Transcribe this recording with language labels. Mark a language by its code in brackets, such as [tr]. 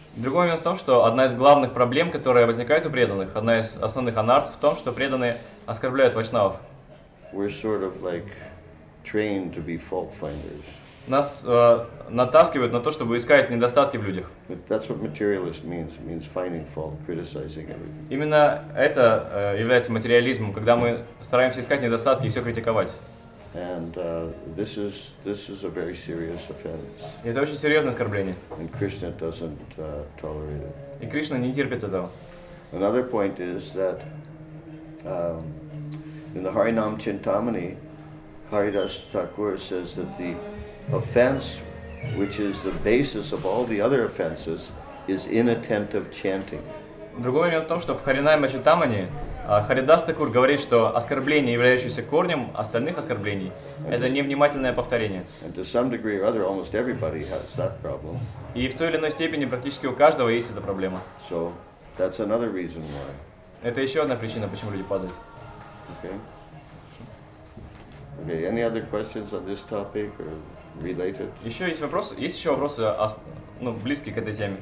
[ru] Другой момент в том, что одна из главных проблем, которая возникает у преданных, одна из основных анарт в том, что преданные оскорбляют Вайшнавов. [en] We're sort of like trained to be fault finders. [ru] Нас натаскивают на то, чтобы искать недостатки в людях. [en] That's what materialism means. It means finding fault, criticizing everything. [ru] Именно это является материализмом, когда мы стараемся искать недостатки и все критиковать. [en] And this is a very serious offense. [ru] И это очень серьезное оскорбление. [en] And Krishna doesn't tolerate it. [ru] И Кришна не терпит этого. [en] Another point is that in the Harinam Chintamani, Haridas Thakur says that the offense, which is the basis of all the other offenses, is inattentive chanting. [ru] Другой момент в том, что в Харинаме Читамане Харидас Такур говорит, что оскорбление, являющееся корнем остальных оскорблений, это невнимательное повторение. [en] And to some degree or other, almost everybody has that problem. [ru] И в той или иной степени практически у каждого есть эта проблема. [en] So that's another reason why. [ru] Это еще одна причина, почему люди падают. [en] Okay. Any other questions on this topic or related? [ru] Еще есть вопрос? Есть еще вопросы, ну, близкие к этой теме?